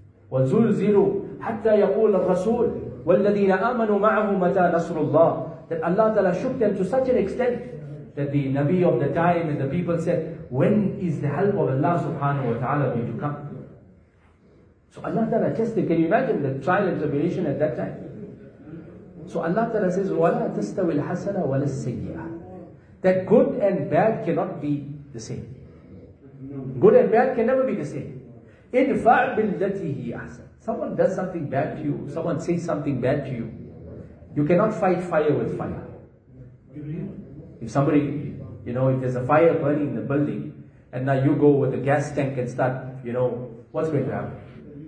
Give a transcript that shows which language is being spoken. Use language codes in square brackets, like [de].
[ar] وَزُلْزِلُوا حَتَّى يَقُولَ الرَّسُولُ وَالَّذِينَ آمَنُوا مَعَهُ مَتَى نَصْرُ اللَّهِ. [en] That Allah Ta'ala shook them to such an extent that the Nabi of the time and the people said, when is the help of Allah subhanahu wa ta'ala going to come? So Allah Ta'ala tested. Can you imagine the trial and tribulation at that time? So Allah Ta'ala says, [ar] وَلَا تَسْتَوِي الْحَسَنَ وَلَا السَّيِّئَةَ. [en] That good and bad cannot be the same. Good and bad can never be the same. [ar] اِدْفَعْ بِالَّتِي هِي أَحْسَنَ. [en] Someone does something bad to you. Someone says something bad to you. You cannot fight fire with fire. If somebody, you know, if there's a fire burning in the building, and now you go with a gas tank and start, you know, what's going to happen?